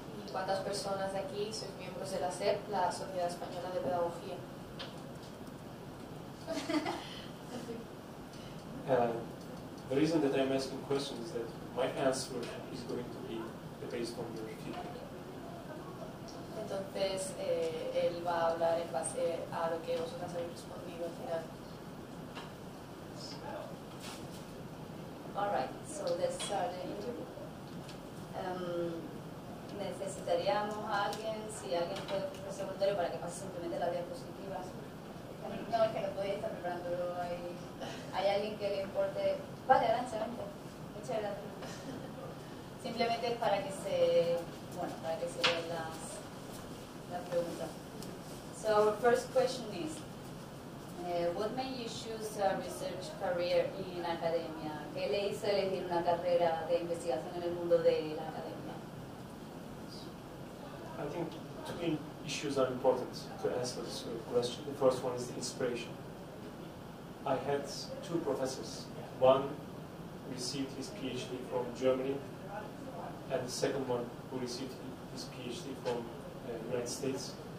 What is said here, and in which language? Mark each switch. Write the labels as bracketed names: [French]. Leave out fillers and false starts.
[Spanish] ¿Cuántas personas de aquí sois miembros de la SEP, la Sociedad Española de Pedagogía? [English] The reason that I'm asking questions is that my answer is going to be based on your feedback. [Spanish] Entonces, él va a hablar en base a lo que vosotras habéis respondido al final. [English] Alright, so let's start the interview. [Spanish] Necesitaríamos a alguien, si alguien puede hacer un voluntario para que pase simplemente las diapositivas. No, es que no podía estar preparándolo. ¿Hay alguien que le importe? Vale, adelante, adelante. Muchas gracias. Simplemente es para que se, bueno, para que se vean las preguntas. [English] So our first question is, what made you choose a research career in academia? [Spanish] ¿Qué le hizo elegir una carrera de investigación en el mundo de la academia? [English] I think two issues are important to answer this question. The first one is the inspiration. I had two professors. One received his PhD from Germany, and the second one who received his PhD from the United States.